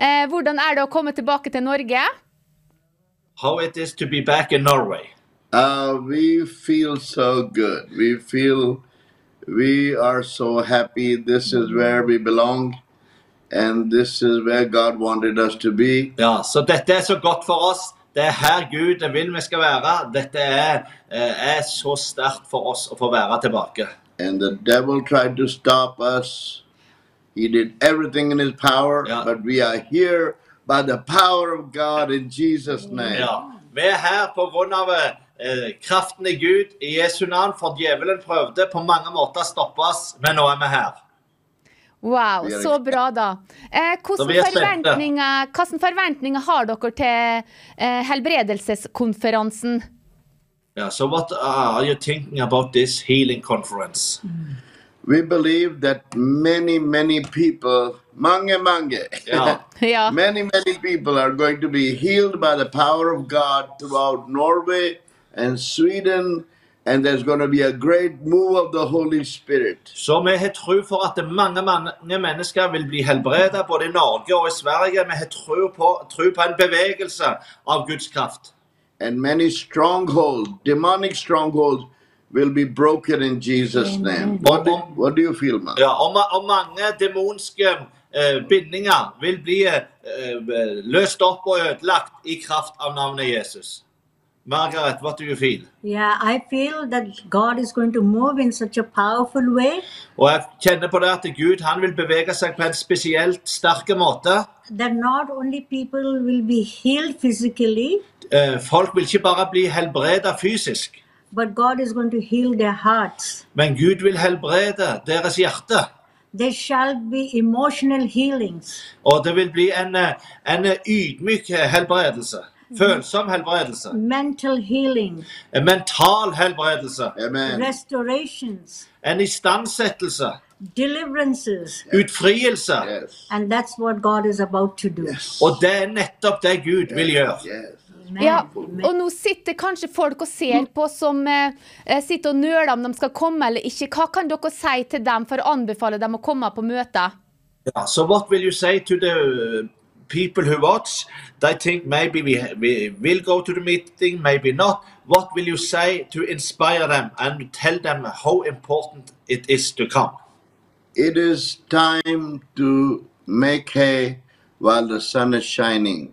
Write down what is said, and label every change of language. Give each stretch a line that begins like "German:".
Norwegian: Hvordan er det å komme tilbake til Norge?
English: How it is to be back in Norway? We feel so good. We feel we are so happy. This is where we belong. And this is where God wanted us to be.
Norwegian: Ja, så dette er så godt for oss. Det er her Gud vil vi skal være. Dette er så sterkt for oss å få være tilbake.
English: And the devil tried to stop us. He did everything in his power.
Norwegian: Ja.
English: But we are here by the power of God in Jesus' name.
Norwegian: Ja, vi er her på grunn av kraften i Gud i Jesu navn. For djevelen prøvde på mange måter å stoppe oss. Men nå er vi her. Wow, så bra da. Hvilke forventninger har dere til helbredelseskonferansen? Ja, så hva er du tenkt om denne helingskonferansen? Vi tror at mange, ja.
English: Mange people are going to be healed by the power of God throughout Norway and Sweden. And there's going to be a great move of the Holy Spirit.
Norwegian: Så vi har tro for at mange mennesker vil bli helbredet både i Norge og i Sverige. Vi har tro på en bevegelse av Guds kraft.
English: And many strongholds, demonic strongholds, will be broken in Jesus' name. What do you feel, man?
Norwegian: Ja, og mange demoniske bindinger vil bli løst opp og ødelagt i kraft av navnet Jesus.
English: Margaret, what do you feel? Yeah, I feel that God is going to move in such a powerful way.
Norwegian: Og jeg kjenner på det at Gud, han vil bevege seg på en spesielt sterke måte.
English: That not only people will be healed physically.
Norwegian: Folk vil ikke bare bli helbredet fysisk.
English: But God is going to heal their hearts.
Norwegian: Men Gud vil helbrede deres hjerte.
English: There shall be emotional healings.
Norwegian: Og det vil bli en ydmyk helbredelse. Følsom helbredelse.
English: Mental healing.
Norwegian: En mental helbredelse.
English: Amen. Restorations.
Norwegian: En istandsettelse.
English: Deliverances.
Norwegian: Utfrielse.
English: Yes. And that's what God is about to do. Yes.
Norwegian: Og det er nettopp det Gud vil gjøre.
English: Yes.
Norwegian: Ja, og nå sitter kanskje folk og ser på som sitter og nøler om de skal komme eller ikke. Hva kan dere si til dem for å anbefale dem å komme på møter? Ja, så hva vil du si til dem?
English: People who watch, they think maybe we will go to the meeting, maybe not. What will you say to inspire them and tell them how important it is to come? It is time to make hay while the sun is shining.